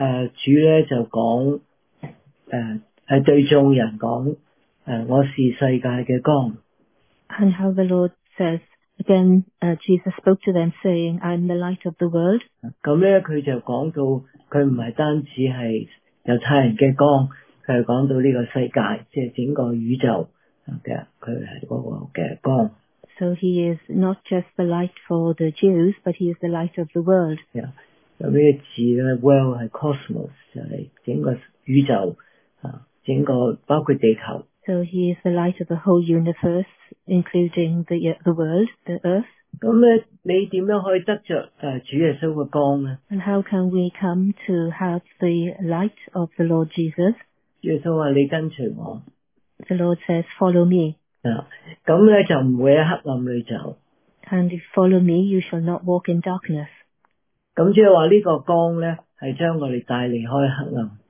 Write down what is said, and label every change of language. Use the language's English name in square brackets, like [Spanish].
[Cantonese] 主咧就讲，系对众人讲，我是世界嘅光。 [English] And how the Lord says. Again, Jesus spoke to them saying, I'm the light of the world. [Cantonese] 咁呢佢就讲到佢唔係单止係犹太人嘅光，佢係讲到呢个世界，即係整个宇宙嘅佢係嗰个嘅光。 [English] So he is not just the light for the Jews, but he is the light of the world. [Cantonese] 咁呢个字呢 ,world 係 cosmos, 就係整个宇宙整个包括地球。 [English] So he is the light of the whole universe, including the world, the earth. [Cantonese] 咁你点样可以得着主耶稣嘅光呢 [English] ？And how can we come to have the light of the Lord Jesus? [Cantonese] 耶稣话你跟随我。 [English] The Lord says, "Follow me." [Cantonese] 咁咧就唔会喺黑暗里走。 [English] And if you follow me, you shall not walk in darkness. [Cantonese] 咁即系话呢个光咧，系将我哋带离开黑暗。